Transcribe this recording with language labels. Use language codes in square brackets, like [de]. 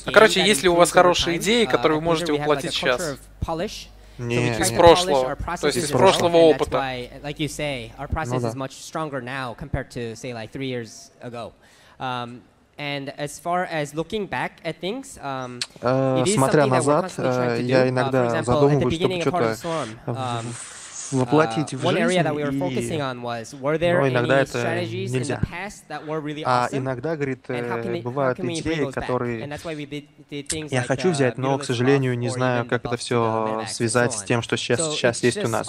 [ru] Короче, есть ли у вас хорошие идеи, которые вы можете воплотить сейчас? Нет, из прошлого, то есть из прошлого опыта. [en] Like you say, our process is much stronger now compared to say like 3 years ago. And as far as looking back at things, [ru] смотря назад, я иногда задумываюсь, чтобы что-то воплотить в жизнь, но иногда это нельзя. А иногда, говорит, бывают идеи, которые я хочу взять, но, к сожалению, не знаю, как это все связать с тем, что сейчас есть у нас.